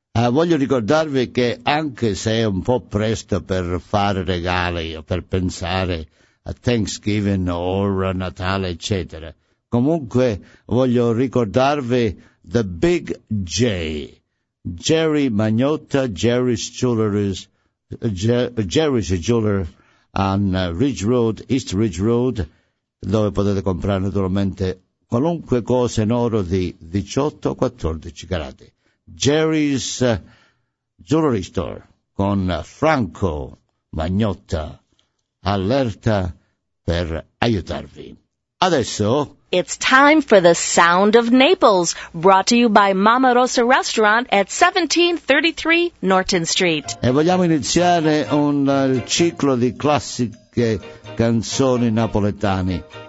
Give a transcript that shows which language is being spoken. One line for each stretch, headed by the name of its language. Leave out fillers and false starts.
Italian: Voglio ricordarvi che anche se è un po' presto per fare regali o per pensare a Thanksgiving o a Natale, eccetera, comunque voglio ricordarvi The Big J, Jerry Magnotta, Jerry's Jeweler on Ridge Road, East Ridge Road, dove potete comprare naturalmente qualunque cosa in oro di 18 o 14 carati. Jerry's Jewelry Store con Franco Magnotta, allerta per aiutarvi. Adesso
English: it's time for the Sound of Naples, brought to you by Mama Rosa Restaurant at 1733 Norton Street.
Italian: E vogliamo iniziare un ciclo di classiche canzoni napoletane.